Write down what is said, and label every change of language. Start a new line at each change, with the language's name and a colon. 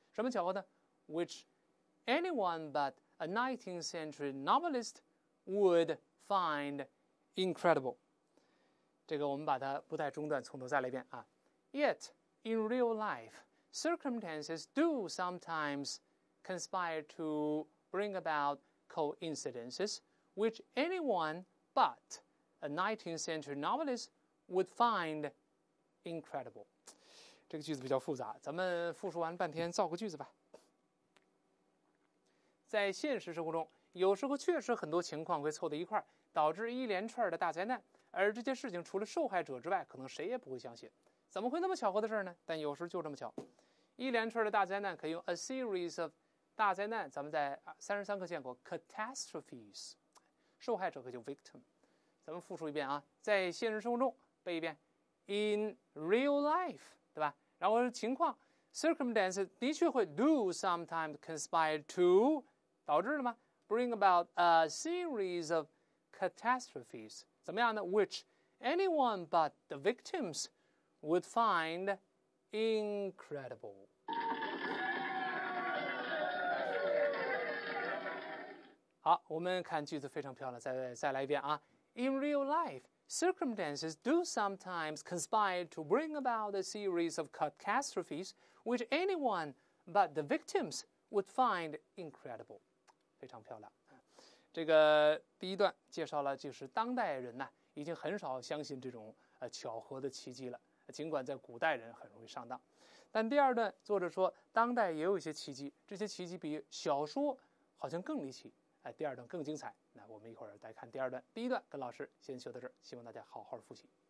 Chinese: 什么巧合呢
English: ？Which anyone but a 19th century novelist would find incredible。
Chinese: 这个我们把它不带中断，从头再来一遍啊。
English: Yet in real life, circumstances do sometimes conspire to bring about coincidences, which anyone but a 19th century novelist would find incredible。
Chinese: 这个句子比较复杂，咱们复述完半天，造个句子吧。在现实生活中，有时候确实很多情况会凑在一块儿，导致一连串的大灾难。而这件事情除了受害者之外，可能谁也不会相信。怎么会那么巧合的事呢？但有时就这么巧。一连串的大灾难可以用
English: a series of
Chinese: 大灾难，咱们在33课见过 catastrophes， 受害者可以用 victim。咱们复述一遍啊，在现实生活中，背一遍
English: in real life，
Chinese: 对吧？然后情况 circumstances 的确会
English: do sometimes conspire to
Chinese: 导致了吗？
English: bring about a series of catastrophes，
Chinese: 怎么样呢
English: ？Which anyone but the victims would find incredible。
Chinese: 好，我们看句子非常漂亮，再来一遍啊。
English: In real life, circumstances do sometimes conspire to bring about a series of catastrophes which anyone but the victims would find incredible。
Chinese: 非常漂亮。这个第一段介绍了，就是当代人呢，已经很少相信这种巧合的奇迹了，尽管在古代人很容易上当。但第二段作者说，当代也有一些奇迹，这些奇迹比小说好像更离奇，第二段更精彩。那我们一会儿再看第二段，第一段跟老师先修到这儿，希望大家好好复习。